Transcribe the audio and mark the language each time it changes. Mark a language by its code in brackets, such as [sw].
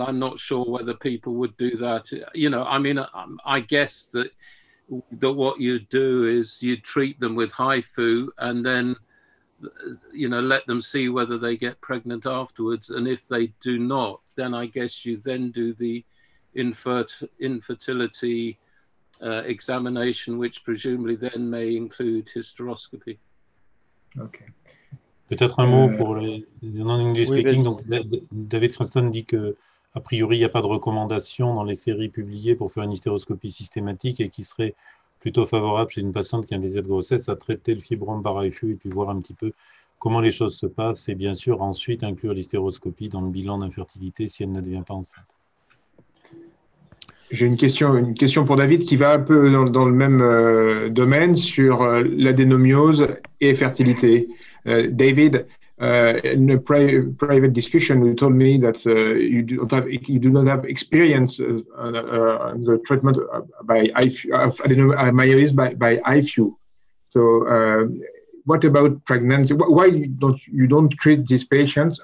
[en] I'm not sure whether people would do that. You know, I mean, I guess that what you do is you treat them with HIFU and then, you know, let them see whether they get pregnant afterwards. And if they do not, then I guess you then do the infertility examination, which presumably then may include hysteroscopy. Okay. [fr] Peut-être un mot pour les [en] non-English speaking. [fr] Oui, donc, David Creston dit que a priori, il n'y a pas de recommandation dans les séries publiées pour faire une hystéroscopie systématique et qui serait plutôt favorable chez une patiente qui a un désir de grossesse à traiter le fibrome par HIFU et puis voir un petit peu comment les choses se passent et bien sûr ensuite inclure l'hystéroscopie dans le bilan d'infertilité si elle ne devient pas enceinte. J'ai une question pour David qui va un peu dans le même domaine sur l'adénomyose et fertilité. [en] David, in a private discussion, you told me that you do not have experience the treatment by HIFU. So, what about pregnancy? Why don't you treat these patients?